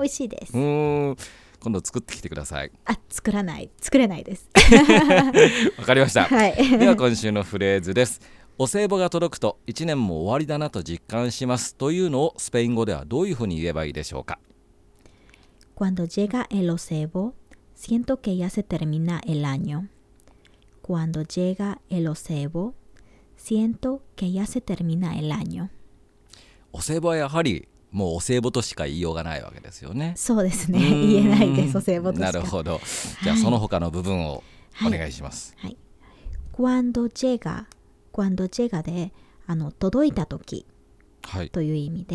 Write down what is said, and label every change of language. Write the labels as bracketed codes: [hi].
[ja] 美味しいです。今度作ってきてください。あ、作らない、作れないですわかりました、はい、では今週のフレーズです。お歳暮が届くと1年も終わりだなと実感しますというのをスペイン語ではどういうふうに言えばいいでしょうか。 [es] Cuando llega el ocebo siento que ya se termina el año。 Cuando llega el ocebo, siento que ya se termina el año. [ja] お歳暮はやはりもうお歳暮としか言いようがないわけですよね。そうですね、言えないです、お歳暮としか。なるほど、じゃあその他の部分をお願いします。はい、はい、 [es] Cuando llega、 Cuando llega [ja] で届いた時という意味で、